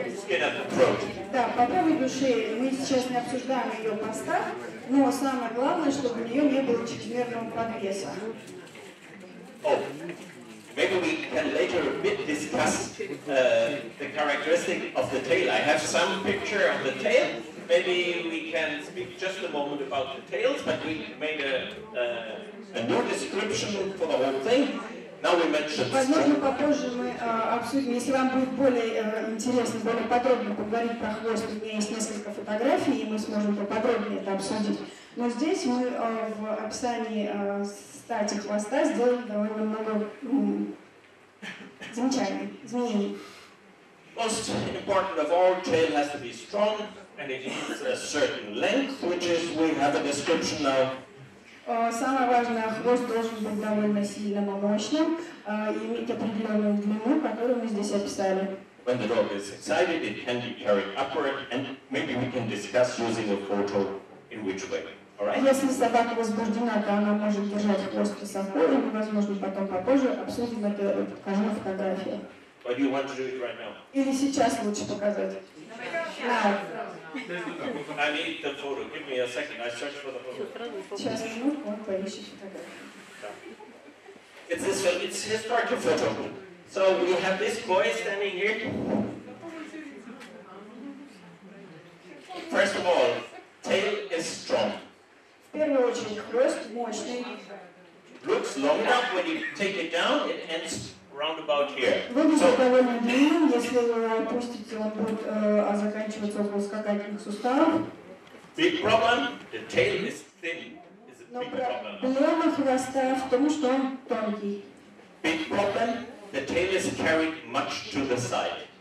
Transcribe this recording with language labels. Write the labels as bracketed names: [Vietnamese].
[Russian] Да, по поводу шеи мы сейчас не обсуждаем ее постав, но самое главное, чтобы у нее не было чрезмерного подвеса. [English] Maybe we can later a bit discuss the characteristic of the tail. I have some picture of the tail. Maybe we can speak just a moment about the tails, but we made a new description for the whole thing. Now we mentioned. [Russian] Возможно, попозже мы обсудим, если вам будет более интересно, более подробно поговорить про хвост, у меня есть несколько фотографий, и мы сможем поподробнее это обсудить. Но здесь мы в описании статьи хвоста сделали довольно много замечаний, изменений. [English] Most important of all, tail has to be strong, and it needs a certain length, which is we have a description now. [Russian] Самое важное, хвост должен быть довольно сильным и мощным, иметь определенную длину, которую мы здесь описали. [English] When the dog is excited, it can be carried upward, and maybe we can discuss using a photo in which way. Alright? [Russian] Если собака возбуждена, то она может держать хвост высоко, и мы, возможно, потом попозже обсудим это, покажу на фотографии. [English] Or do you want to do it right now? [Russian] Или сейчас лучше показать? Да. [English] I need the photo. Give me a second. I search for the photo. It's this. It's historical photo. So we have this boy standing here. First of all, tail is strong. Looks long enough when you take it down. It ends. [Russian] Выглядит довольно длинным, если вы его опустите, он будет заканчиваться около скакательных суставов. [English] Big problem, the tail is thin. It's a big problem. [Russian] Проблема хвоста в том, что он тонкий. [English] Big problem, the tail is carried much to the side.